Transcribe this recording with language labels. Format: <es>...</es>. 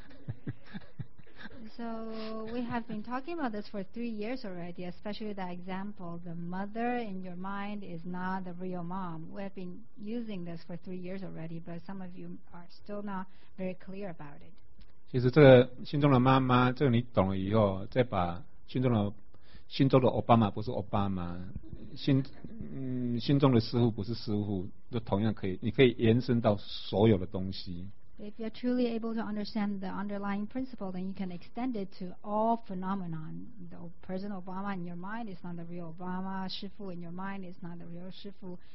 <zh>我们已经讲了三年的什么心中的妈妈不是妈妈嘛，对不对？有些人还是听不懂啊。</zh> <en>So we have been talking about this for 3 years already, especially that example, the mother in your mind is not the real mom. We have been using this for 3 years already, but some of you are still not very clear about it.</en> <zh>其实这个心中的妈妈，这个你懂了以后，再把心中的奥巴马不是奥巴马，心中的师傅不是师傅，都同样可以，你可以延伸到所有的东西。</zh> <en>If you're truly able to understand the underlying principle, then you can extend it to all phenomenon. The person Obama in your mind is not the real Obama. Shifu in your mind is not the real Shifu.</en>